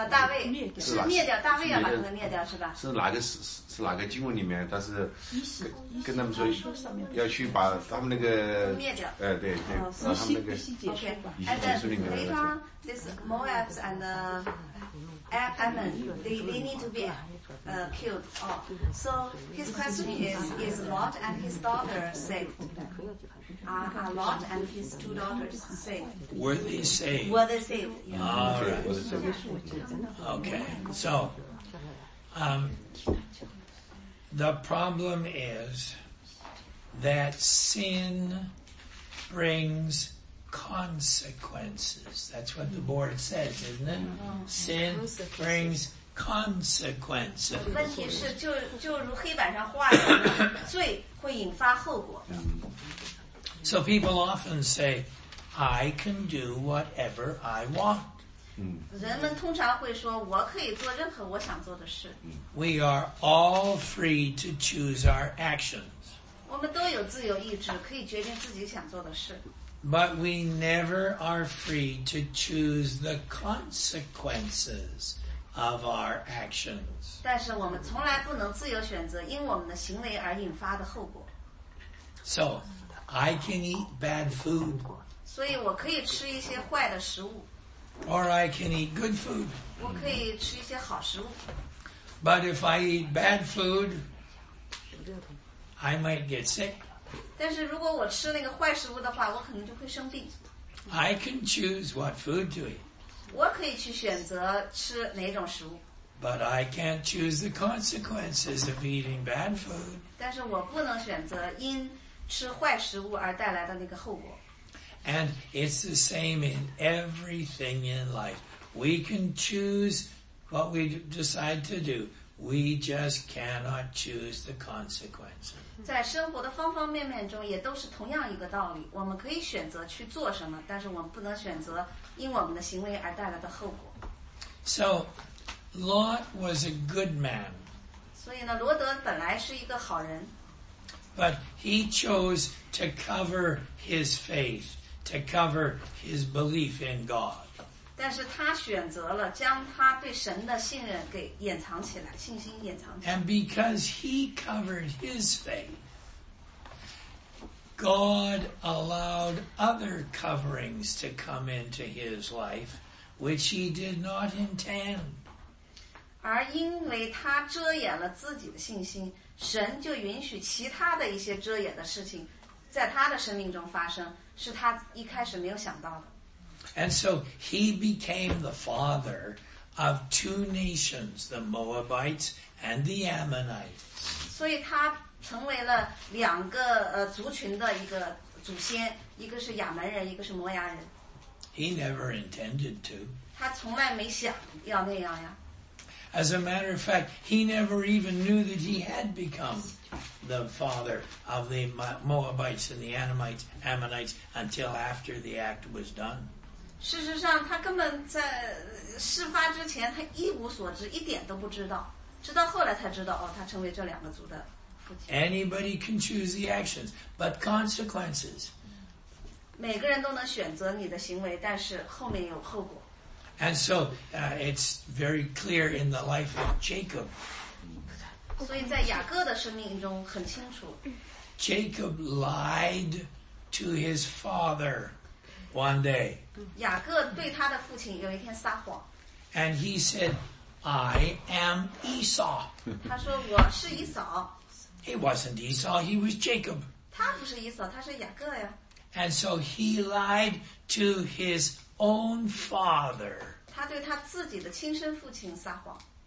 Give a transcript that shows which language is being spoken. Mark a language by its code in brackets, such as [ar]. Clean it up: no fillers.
[zh] 大卫是灭掉，大卫要把他们灭掉是吧？是哪个是哪个经文里面？但是跟他们说要去把他们那个灭掉。哎、对，把他们那个。以西结书里面。 [en] This Moab and Ammon, they need to be killed off. So his question is Lot and his daughter saved? Lot and his two daughters saved. Were they saved? Were they saved? Yeah. All right. Okay. So, the problem is that sin brings consequences. That's what the board says, isn't it? Sin brings consequences. [zh] 问题是就如黑板上画的，罪会引发后果。 [en] So people often say, I can do whatever I want. [zh] 人们通常会说我可以做任何我想做的事。 [en] We are all free to choose our actions. [zh] 我们都有自由意志，可以决定自己想做的事。 [en] But we never are free to choose the consequences of our actions. [zh] 但是我们从来不能自由选择因我们的行为而引发的后果。 [en] So,I can eat bad food. [zh] 所以我可以吃一些坏的食物。 [en] Or I can eat good food. [zh] 我可以吃一些好食物。 [en] But if I eat bad food, I might get sick. [zh] 但是如果我吃那个坏食物的话，我可能就会生病。 [en] I can choose what food to eat. [zh] 我可以去选择吃哪种食物。 [en] But I can't choose the consequences of eating bad food. [zh] 但是我不能选择因吃坏食物而带来的那个后果。 [en] And it's the same in everything in life. We can choose what we decide to do. We just cannot choose the consequences. [zh] 在生活的方方面面中也都是同样一个道理。我们可以选择去做什么，但是我们不能选择因我们的行为而带来的后果。 [en] So, Lot was a good man. [zh] 所以呢，罗德本来是一个好人。 [en] But he chose to cover his faith, to cover his belief in God. [zh] 但是他选择了将他对神的信任给掩藏起来，信心掩藏起来。 [en] And because he covered his faith, God allowed other coverings to come into his life, which he did not intend. [zh] 而因为他遮掩了自己的信心，神就允许其他的一些遮掩的事情在他的生命中发生，是他一开始没有想到的。 [en] And so he became the father of two nations, the Moabites and the Ammonites. [zh] 所以他成为了两个族群的一个祖先，一个是亚门人，一个是摩押人。 [en] He never intended to. [zh] 他从来没想要那样呀。 [en] As a matter of fact, he never even knew that he had become the father of the Moabites and the Ammonites until after the act was done. [zh] 事实上，他根本在事发之前，他一无所知，一点都不知道。直到后来才知道，哦，他成为这两个族的父亲。 [en] Anybody can choose the actions, but consequences. [zh] 每个人都能选择你的行为，但是后面有后果。 [en] And so, it's very clear in the life of Jacob. [zh] 所以在雅各的生命中很清楚。 [en] Jacob lied to his father. one day. [zh] 雅各对他的父亲有一天撒谎。 [en] And he said, I am Esau. [zh] 他说我是以扫。 [en] He wasn't Esau, he was Jacob. [zh] 他不是以扫，他是雅各呀。 [en] And so he lied to his own father. [zh] 他对他自己的亲生父亲撒谎。